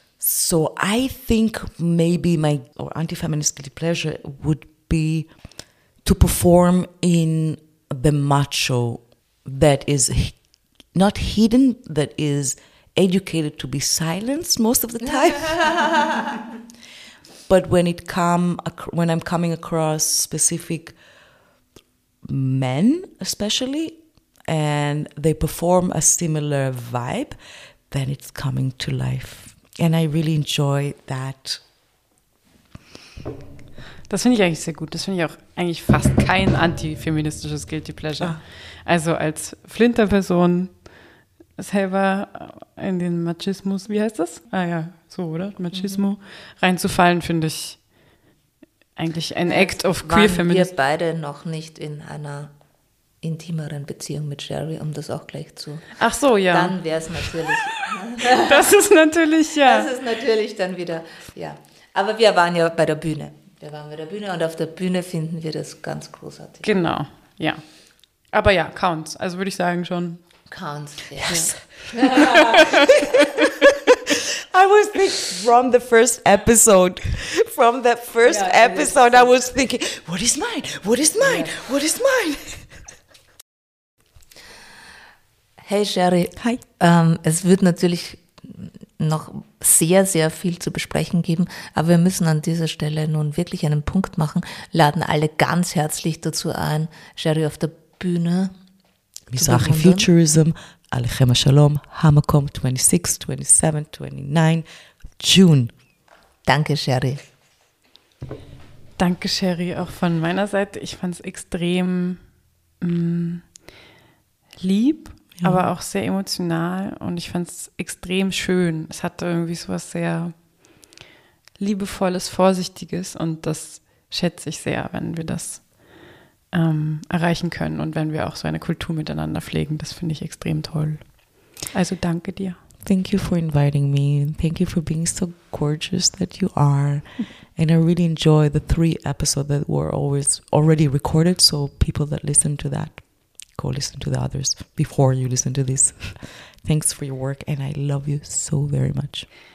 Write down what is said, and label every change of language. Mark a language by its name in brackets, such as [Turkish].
[English] So I think maybe my anti-feminist guilty pleasure would be to perform in the macho that is not hidden, that is educated to be silenced most of the time. But when I'm coming across specific men, especially, and they perform a similar vibe, then it's coming to life. And I really enjoy that. [German] Das finde ich eigentlich sehr gut. Das finde ich auch eigentlich fast kein antifeministisches Guilty Pleasure. Also als Flinterperson selber in den Machismus, wie heißt das? Ah ja, so, oder? Machismo reinzufallen, finde ich eigentlich ein [English] Act of Queer Feminism. [German] Waren wir beide noch nicht in einer intimeren Beziehung mit Sherry, um das auch gleich zu... Ach so, ja. Dann wäre es natürlich... Das ist natürlich, ja. Das ist natürlich dann wieder, ja. Aber wir waren ja bei der Bühne. Wir waren bei der Bühne und auf der Bühne finden wir das ganz großartig. Genau, ja. Aber ja, counts. Also würde ich sagen schon... [English] Counts, yes. I was thinking from the first episode. From that first episode, I was thinking, what is mine? What is mine? Yeah. What is mine? Hey Sherry. Hi. [German] Es wird natürlich noch sehr, sehr viel zu besprechen geben, aber wir müssen an dieser Stelle nun wirklich einen Punkt machen. Laden alle ganz herzlich dazu ein, Sherry auf der Bühne. Misrachi Futurism, Alechem Shalom, Hamakom, 26, 27, 29, June. Danke, Sherry. Danke, Sherry, auch von meiner Seite. Ich fand es extrem lieb, aber auch sehr emotional und ich fand es extrem schön. Es hatte irgendwie sowas sehr Liebevolles, Vorsichtiges und das schätze ich sehr, wenn wir das erreichen können und wenn wir auch so eine Kultur miteinander pflegen. Das finde ich extrem toll. Also danke dir. [English] Thank you for inviting me. Thank you for being so gorgeous that you are. And I really enjoy the 3 episodes that were always already recorded, so people that listen to that, go listen to the others before you listen to this. Thanks for your work and I love you so very much.